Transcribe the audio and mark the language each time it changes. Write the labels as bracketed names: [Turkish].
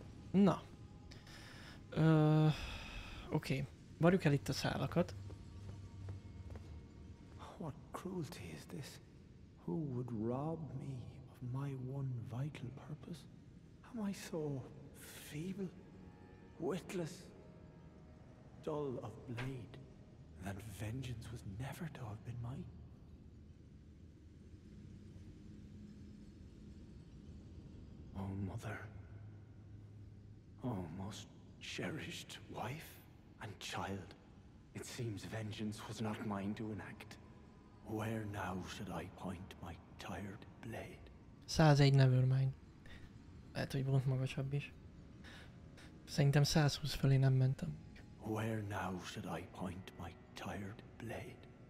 [Hungarian] Na. Oké. Várjuk el itt a szálakat. [English] What cruelty is this? Who would rob me of my one vital purpose? Am I so feeble, witless, dull of blade, that vengeance was never to have been mine? Oh, mother. Oh, most cherished wife and child. It seems vengeance was not mine to enact. Where now should I point my tired blade? 101, never mind. [Hungarian] Lehet, hogy volt magasabb is. Szerintem 120 fölé nem mentem. [English] Where now should I point my tired blade?